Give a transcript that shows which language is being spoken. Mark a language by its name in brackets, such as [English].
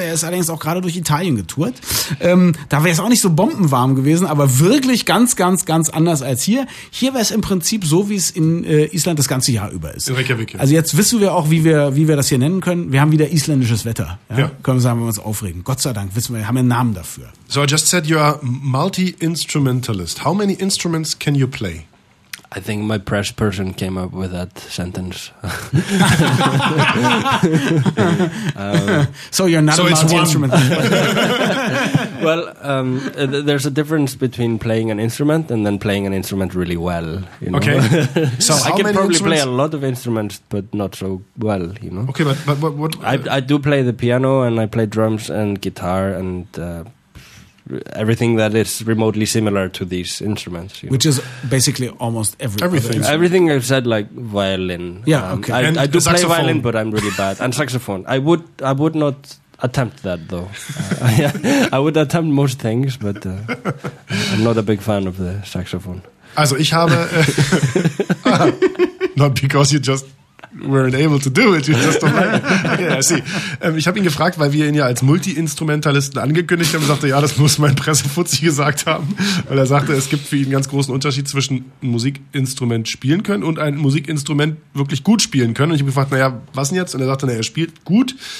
[German] Er ist allerdings auch gerade durch Italien getourt. Da wäre es auch nicht so bombenwarm gewesen, aber wirklich ganz, ganz, ganz anders als hier. Hier wäre es im Prinzip so, wie es in Island das ganze Jahr über ist. In Reykjavik, ja. Also jetzt wissen wir auch, wie wir das hier nennen können. Wir haben wieder isländisches Wetter. Ja. Können wir sagen, uns aufregen. Gott sei Dank, wissen wir, haben einen Namen dafür. [English] So I just said you are multi-instrumentalist. How many instruments can you play? I think my press person came up with that sentence. So you're not a multi-instrumentalist. Well, there's a difference between playing an instrument and then playing an instrument really well. You know? Okay. So how I can many probably instruments? Play a lot of instruments, but not so well, you know. Okay, but what? I do play the piano and I play drums and guitar and everything that is remotely similar to these instruments. Which know. Is basically almost everything. Everything I've said, like violin. Yeah, okay. I do play violin, but I'm really bad. And saxophone. I would not attempt that, though. I would attempt most things, but I'm not a big fan of the saxophone. [German] Also, ich habe... [English] not because you just weren't able to do it, you just don't like it. Yeah, I see. [German] Ich habe ihn gefragt, weil wir ihn ja als Multi-Instrumentalisten angekündigt haben. Er sagte, ja, das muss mein Pressefuzzi gesagt haben. Weil er sagte, es gibt für ihn einen ganz großen Unterschied zwischen ein Musikinstrument spielen können und ein Musikinstrument wirklich gut spielen können. Und ich habe gefragt, naja, was denn jetzt? Und er sagte, naja, er spielt gut.